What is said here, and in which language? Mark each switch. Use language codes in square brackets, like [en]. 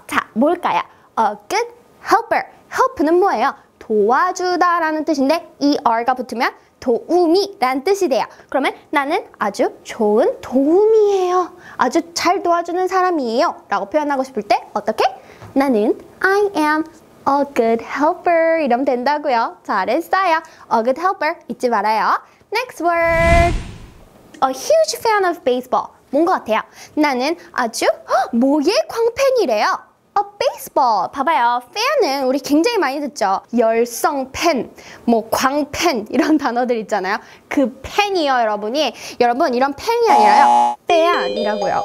[ko] 자, 뭘까요? [en] A good helper. [ko] Help는 뭐예요? 도와주다 라는 뜻인데 ER가 붙으면 도움이 라는 뜻이 돼요. 그러면 나는 아주 좋은 도움이에요. 아주 잘 도와주는 사람이에요. 라고 표현하고 싶을 때 어떻게? 나는 [en] I am a good helper [ko] 이러면 된다고요. 잘했어요. [en] A good helper [ko] 잊지 말아요. [en] Next word. A huge fan of baseball. [ko] 뭔 것 같아요? 나는 아주 뭐의 광팬이래요. [en] A baseball. [ko] 봐봐요. Fan은 우리 굉장히 많이 듣죠. 열성 팬, 뭐 광팬 이런 단어들 있잖아요. 그 팬이요, 여러분이. 여러분, 이런 팬이 아니라요. Fan이라고요.